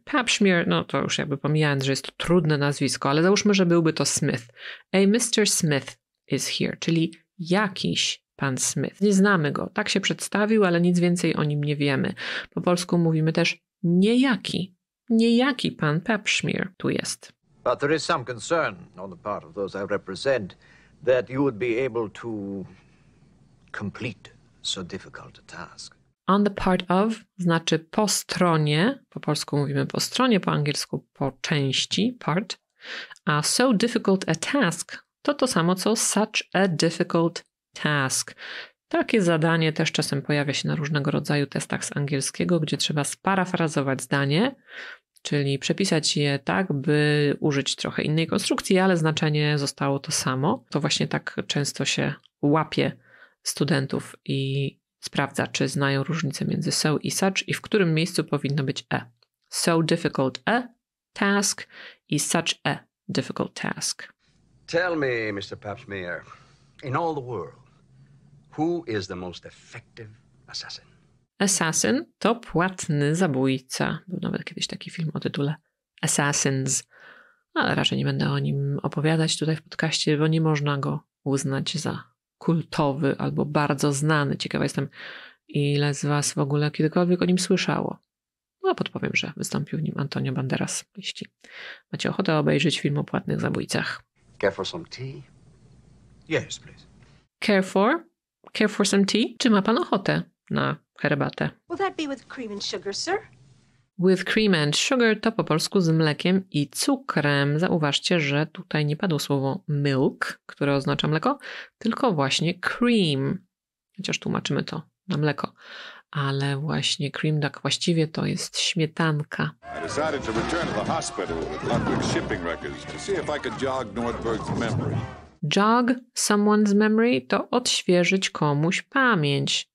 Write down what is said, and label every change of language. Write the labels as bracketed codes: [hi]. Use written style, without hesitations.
[pl] Papschmier, no to już jakby pomijając, że jest to trudne nazwisko, ale załóżmy, że byłby to Smith. A Mr. [en] Smith is here, [pl] czyli jakiś pan Smith. Nie znamy go. Tak się przedstawił, ale nic więcej o nim nie wiemy. Po polsku mówimy też niejaki. Niejaki pan Papschmier tu jest. [en] But there is some concern on the part of those I represent that you would be able to complete so difficult a task. On the part of [pl] znaczy po stronie, po polsku mówimy po stronie, po angielsku po części, part. A [en] so difficult a task [pl] to samo co [en] such a difficult task. [pl] Takie zadanie też czasem pojawia się na różnego rodzaju testach z angielskiego, gdzie trzeba sparafrazować zdanie, czyli przepisać je tak, by użyć trochę innej konstrukcji, ale znaczenie zostało to samo. To właśnie tak często się łapie studentów i sprawdza, czy znają różnicę między so i such i w którym miejscu powinno być a. [en] So difficult a task i such a difficult task. Tell me, Mr. Papschmier, in all the world, who is the most effective assassin? [pl] Assassin to płatny zabójca. Był nawet kiedyś taki film o tytule Assassins, ale raczej nie będę o nim opowiadać tutaj w podcaście, bo nie można go uznać za kultowy albo bardzo znany. Ciekawa jestem, ile z was w ogóle kiedykolwiek o nim słyszało. No a podpowiem, że wystąpił w nim Antonio Banderas, jeśli macie ochotę obejrzeć film o płatnych zabójcach. [en] Care for some tea? Yes, please. Care for? Care for some tea? [pl] Czy ma pan ochotę na herbatę? [en] Will that be with cream and sugar, sir? With cream and sugar [pl] to po polsku z mlekiem i cukrem. Zauważcie, że tutaj nie padło słowo milk, które oznacza mleko, tylko właśnie cream. Chociaż tłumaczymy to na mleko. Ale właśnie cream, tak właściwie to jest śmietanka. [en] I decided to return to the hospital with Ludwig's shipping records to see if I could jog Nordberg's memory. Jog someone's memory [pl] to odświeżyć komuś pamięć.